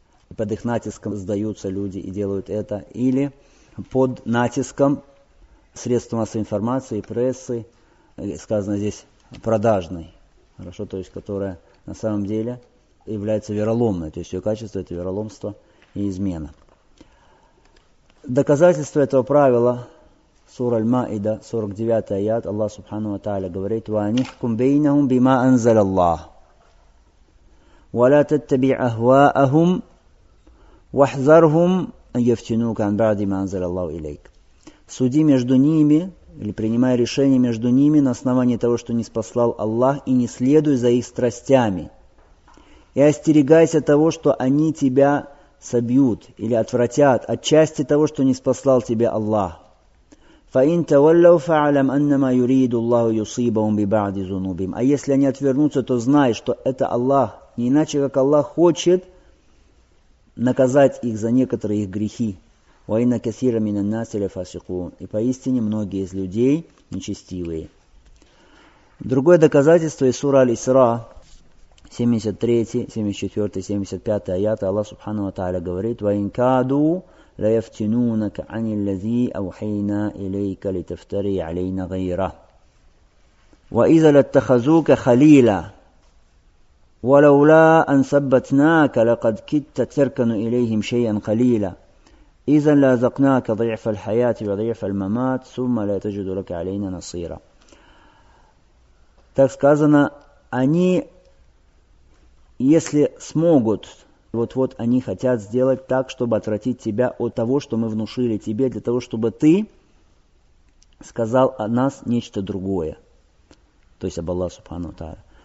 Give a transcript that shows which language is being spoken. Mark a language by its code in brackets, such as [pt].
[ru] и под их натиском сдаются люди и делают это, или под натиском средств массовой информации, прессы, сказано здесь продажной, хорошо, то есть которая на самом деле является вероломной, то есть ее качество – это вероломство и измена. Доказательство этого правила сура Аль-Маида, 49 аят, Аллах Субхану ва Тааля говорит: [ar] «Ва-нихкум бейнахум бима анзал Аллах». ولا تتبع أهواءهم واحذرهم أن يفتنوك عن بعد ما أنزل الله إليك. [ru] Суди между ними или принимай решение между ними на основании того, что ниспослал Аллах, и не следуй за их страстями. И остерегайся того, что они тебя собьют или отвратят от части того, что ниспослал тебе Аллах. [ar] فَإِن تَوَلَّوْا فَعَلَمْ أَنَّمَا يُرِيدُ اللَّهُ يُصِيبَهُمْ بِبَعْدِ ذُنُوبِهِمْ. [ru] А если они отвернутся, то знай, что это Аллах. Не иначе, как Аллах хочет наказать их за некоторые их грехи. [ar] وَإِنَّ كَثِيرًا مِنَ النَّاسِ لَفَاسِقُونَ. [ru] И поистине многие из людей нечестивые. Другое доказательство из сура Аль-Исра, 73, 74, 75 аяты, Аллах Субхану ва Тааля говорит: [ar] وَإِنْ كَادُوا لَيَفْتِنُونَكَ عَنِ الَّذِي أَوْحَيْنَا إِلَيْكَ لِتَفْتَرِي عَلَيْنَا غَيْرَهُ وَإِذَا لَاتَّخَذُوكَ خَلِيلًا وَلَوْلَا أَن ثَبَّتْنَاكَ لَقَدْ كِدْتَ تَرْكَنُ إِلَيْهِمْ شَيْئًا قَلِيلًا إِذًا لَأَذَقْنَاكَ ضِعْفَ الْحَيَاةِ وَضِعْفَ الْمَمَاتِ ثُمَّ لَا تَجِدُ لَكَ عَلَيْنَا نَصِيرًا. [ru] Так сказано: они, если смогут, вот-вот они хотят сделать так, чтобы отвратить тебя от того, что мы внушили тебе, для того, чтобы ты сказал о нас нечто другое, то есть об Аллах Субхану Тааля.